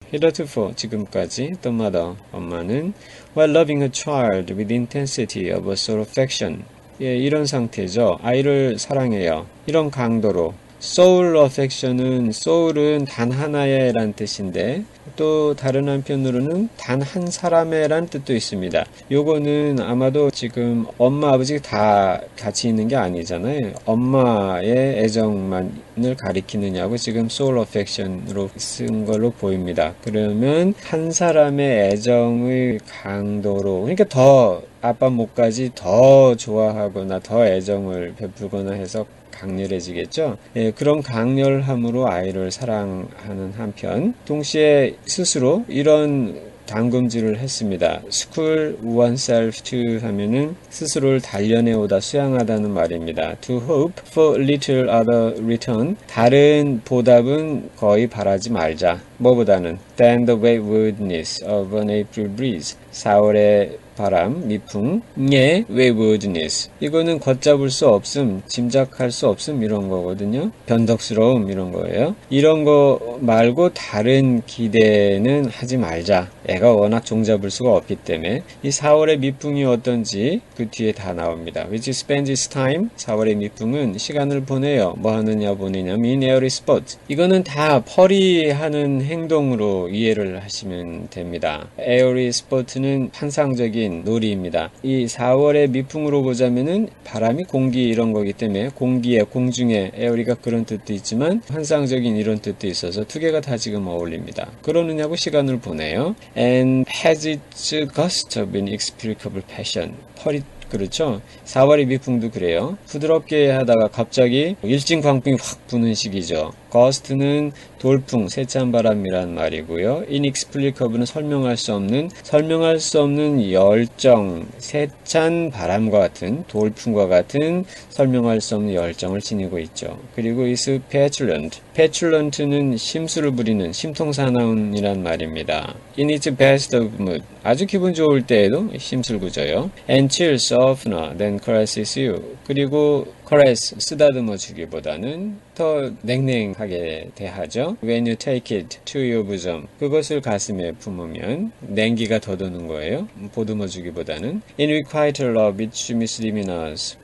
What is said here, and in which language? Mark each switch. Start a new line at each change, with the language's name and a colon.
English: Heretofore,
Korean: 지금까지 또마다 엄마는
English: while loving her child with the intensity of a sole affection,
Korean: 예, 이런 상태죠. 아이를 사랑해요. 이런 강도로. Sole affection은 soul은 단 하나의 란 뜻인데 또 다른 한편으로는 단한 사람의 란 뜻도 있습니다. 요거는 아마도 지금 엄마 아버지 다 같이 있는 게 아니잖아요. 엄마의 애정만을 가리키느냐고 지금 soul affection으로 쓴 걸로 보입니다. 그러면 한 사람의 애정의 강도로 그러니까 더 아빠 몫까지 더 좋아하거나 더 애정을 베풀거나 해서 강렬해지겠죠? 예, 그런 강렬함으로 아이를 사랑하는 한편, 동시에 스스로 이런 담금질을 했습니다.
English: School oneself to
Korean: 하면은 스스로를 단련해오다 수양하다는 말입니다.
English: To hope for little other return.
Korean: 다른 보답은 거의 바라지 말자. 뭐보다는
English: than the wet woodness of an April breeze.
Korean: 4월의 바람, 미풍의 waywardness. 이거는 걷잡을 수 없음, 짐작할 수 없음 이런 거거든요. 변덕스러움 이런 거예요. 이런 거 말고 다른 기대는 하지 말자. 애가 워낙 종잡을 수가 없기 때문에 이 4월의 미풍이 어떤지 그 뒤에 다 나옵니다.
English: Which spends its time?
Korean: 4월의 미풍은 시간을 보내요. 뭐 하느냐 보내냐?
English: In airy sports.
Korean: 이거는 다 퍼리하는 행동으로 이해를 하시면 됩니다. Airy sports는 환상적인 놀이입니다. 이 4월의 미풍으로 보자면은 바람이 공기 이런 거기 때문에 공기에 공중에 에어리가 그런 뜻도 있지만 환상적인 이런 뜻도 있어서 두 개가 다 지금 어울립니다. 그러느냐고 시간을 보내요.
English: And has its gust of inexplicable passion.
Korean: 펄이 그렇죠? 4월의 미풍도 그래요. 부드럽게 하다가 갑자기 일진광풍이 확 부는 시기죠. Gust는 돌풍, 세찬 바람이란 말이고요. Inexplicable은 설명할 수 없는 열정, 세찬 바람과 같은 돌풍과 같은 설명할 수 없는 열정을 지니고 있죠. 그리고
English: is petulant.
Korean: Petulant는 심술을 부리는 심통사나운이란 말입니다.
English: In its best of mood,
Korean: 아주 기분 좋을 때에도 심술 구조요.
English: And chills oftener than caresses you.
Korean: 그리고 caress, 쓰다듬어 주기보다는 더 냉랭하게 대하죠.
English: When you take it to your bosom,
Korean: 그것을 가슴에 품으면 냉기가 돋우는 거예요. 보듬어 주기보다는.
English: In requital of which misdemeanors.